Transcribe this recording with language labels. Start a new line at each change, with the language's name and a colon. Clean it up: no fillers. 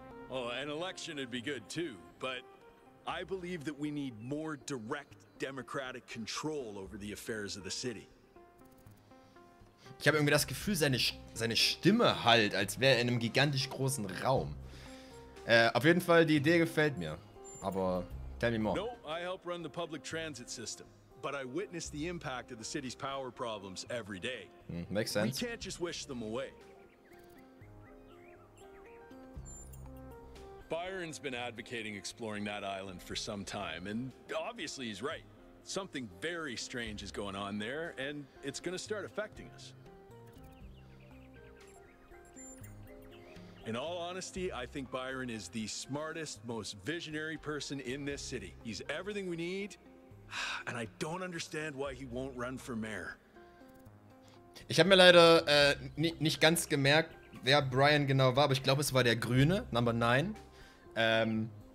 English: Oh, an election would be good too, but I believe that we need more direct democratic control over the affairs of the city.
German: Ich habe irgendwie das Gefühl, seine Stimme hallt, als wäre er in einem gigantisch großen Raum. Auf jeden Fall, die Idee gefällt mir. Aber
English: tell me more. No, I help run the public transit system, but I witness the impact of the city's power problems every day. Makes sense. We can't just wish them away. Byron's been advocating exploring that island for some time, and obviously he's right. Something very strange is going on there, and it's going to start affecting us. In all honesty, I think Byron is the smartest, most visionary person in this city. He's everything we need, and I don't understand why he won't run for mayor.
German: Ich habe mir leider nicht ganz gemerkt, wer Brian genau war, aber ich glaube, es war der Grüne,
English: Number 9.